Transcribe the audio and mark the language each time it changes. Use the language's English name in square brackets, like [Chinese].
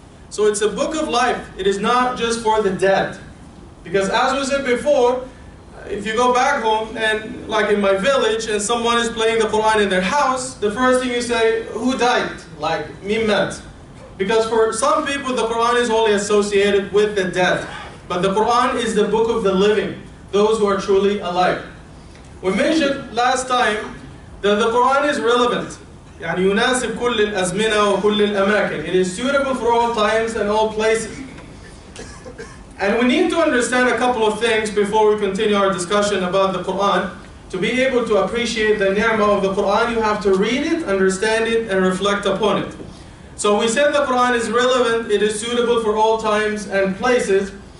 [English] So it's a book of life. It is not just for the dead. Because as we said before, if you go back home, and like in my village, and someone is playing the Quran in their house, the first thing you say, who died? Like, mimmat. Because for some people, the Quran is only associated with the dead. But the Quran is the book of the living, those who are truly alive. We mentioned last time that the Quran is relevant. [Arabic] يعني يناسب كل الأزمنة وكل الأماكن. [English] It is suitable for all times and all places. And we need to understand a couple of things before we continue our discussion about the Quran. To be able to appreciate the ni'mah of the Quran, you have to read it, understand it, and reflect upon it. So we said the Quran is relevant, it is suitable for all times and places.